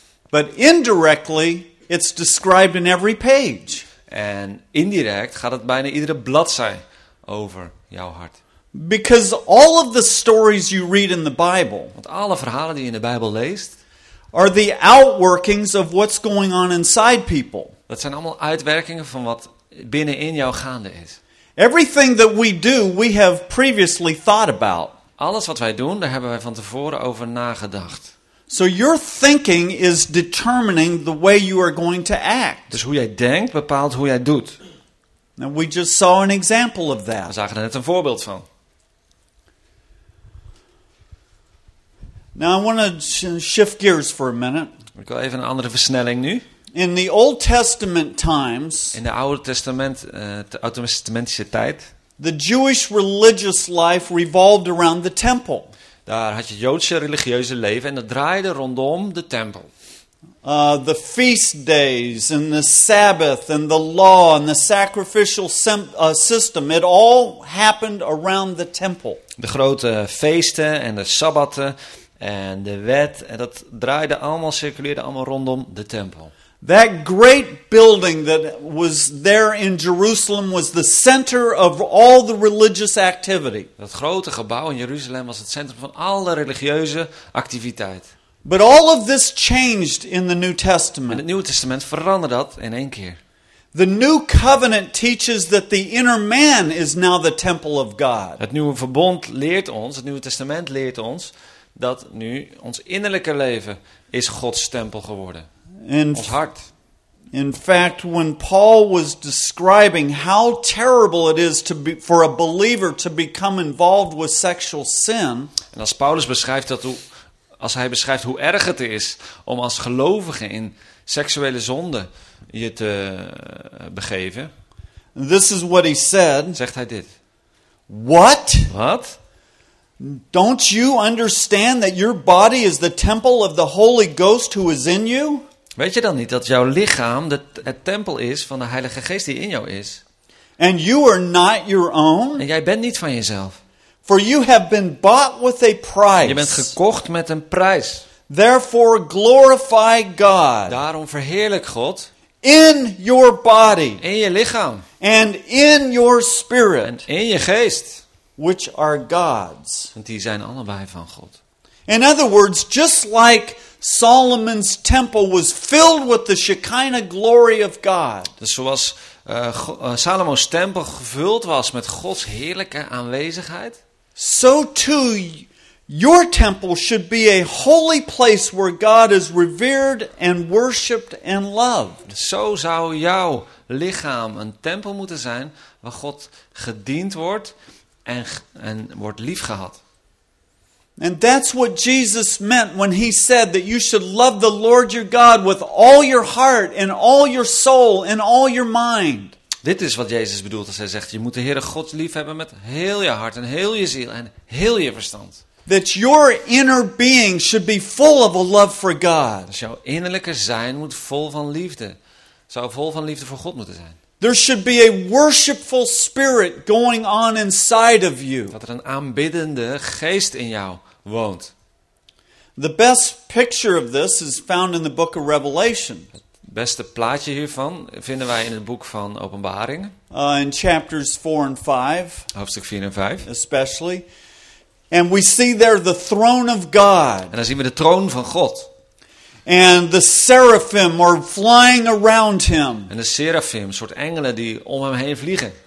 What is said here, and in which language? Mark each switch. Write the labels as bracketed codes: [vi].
[en] But indirectly, it's described in every page. [nl] En indirect gaat het bijna iedere bladzij over jouw hart. [en] Because all of the stories you read in the Bible, [nl] want alle verhalen die je in de Bijbel leest, [en] are the outworkings of what's going on inside people. [nl] Dat zijn allemaal uitwerkingen van wat binnenin jou gaande is. [en] Everything that we do, we have previously thought about. [nl] Alles wat wij doen, daar hebben wij van tevoren over nagedacht. [en] So your thinking is determining the way you are going to act. [nl] Dus hoe jij denkt bepaalt hoe jij doet. [en] Now we just saw an example of that. [nl] We zagen er net een voorbeeld van. [en] Now I want to shift gears for a minute. [nl] Ik wil even een andere versnelling nu. [en] In the Old Testament times. [nl] In de Oude Testament, de Oud-Testamentische tijd. [en] The Jewish religious life revolved around the temple. [nl] Daar had je Joodse religieuze leven en dat draaide rondom de tempel. [en] The feast days and the Sabbath and the law and the sacrificial system, it all happened around the temple. [nl] De grote feesten en de sabbatten en de wet, en dat draaide allemaal, circuleerde allemaal rondom de tempel. [en] That great building that was there in Jerusalem was the center of all the religious activity. [nl] Dat grote gebouw in Jeruzalem was het centrum van alle religieuze activiteit. [en] But all of this changed in the New Testament. [nl] En het Nieuwe Testament veranderde dat in één keer. [en] The New Covenant teaches that the inner man is now the temple of God. [nl] Het Nieuwe Verbond leert ons, het Nieuwe Testament leert ons, dat nu ons innerlijke leven is Gods tempel geworden. Ons hart. [en] In fact, when Paul was describing how terrible it is for a believer to become involved with sexual sin. [nl] En als Paulus beschrijft dat hoe, als hij beschrijft hoe erg het is om als gelovige in seksuele zonde je te begeven. [en] This is what he said. [nl] Zegt hij dit. [en] What? [nl] Wat? [en] Don't you understand that your body is the temple of the Holy Ghost who is in you? [nl] Weet je dan niet dat jouw lichaam het tempel is van de Heilige Geest die in jou is? [en] And you are not your own? [nl] En jij bent niet van jezelf. [en] For you have been bought with a price. [nl] Je bent gekocht met een prijs. [en] Therefore glorify God. [nl] Daarom verheerlijk God. [en] In your body. [nl] In je lichaam. [en] And in your spirit. [nl] En in je geest. [en] Which are God's. [nl] Want die zijn allebei van God. [en] In other words, just like Solomon's temple was filled with the Shekinah glory of God. [nl] Dus zoals Salomo's tempel gevuld was met Gods heerlijke aanwezigheid. [en] So too your temple should be a holy place where God is revered and worshipped and loved. [nl] Zo zou jouw lichaam een tempel moeten zijn waar God gediend wordt en wordt liefgehad. [en] And that's what Jesus meant when he said that you should love the Lord your God with all your heart and all your soul and all your mind. [nl] Dit is wat Jezus bedoelt als hij zegt: je moet de Heere God lief hebben met heel je hart en heel je ziel en heel je verstand. [en] That your inner being should be full of a love for God. [nl] Dus jouw innerlijke zijn moet vol van liefde. Zou vol van liefde voor God moeten zijn. [en] There should be a worshipful spirit going on inside of you. [nl] Dat er een aanbiddende geest in jou woont. [en] The best picture of this is found in the book of Revelation. [nl] Het beste plaatje hiervan vinden wij in het boek van Openbaring. [en] In chapters 4 and 5. [nl] Hoofdstuk 4 en 5. [en] Especially. And we see there the throne of God. [nl] En dan zien we de troon van God. [en] And the seraphim are flying around him. [nl] En de seraphim, soort engelen die om hem heen vliegen.